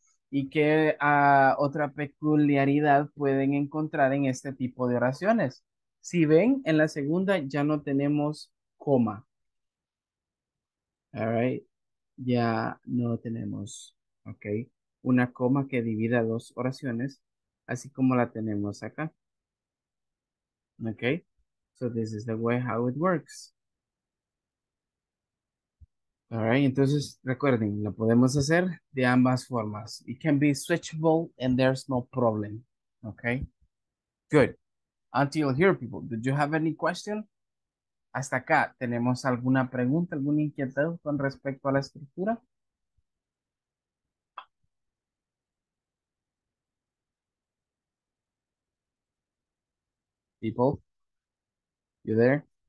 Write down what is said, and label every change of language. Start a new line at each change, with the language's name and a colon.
Spanish: ¿Y qué otra peculiaridad pueden encontrar en este tipo de oraciones? Si ven, en la segunda ya no tenemos coma. All right. Ya no tenemos, ok, una coma que divida dos oraciones, así como la tenemos acá.
English: Ok. So this is the way how it works.
Spanish: Alright, entonces recuerden, lo podemos hacer de ambas formas.
English: It can be switchable and there's no problem. Okay, good. Until here, people, did you have any question?
Spanish: Hasta acá, ¿tenemos alguna pregunta, alguna inquietud con respecto a la estructura?
English: People, you there?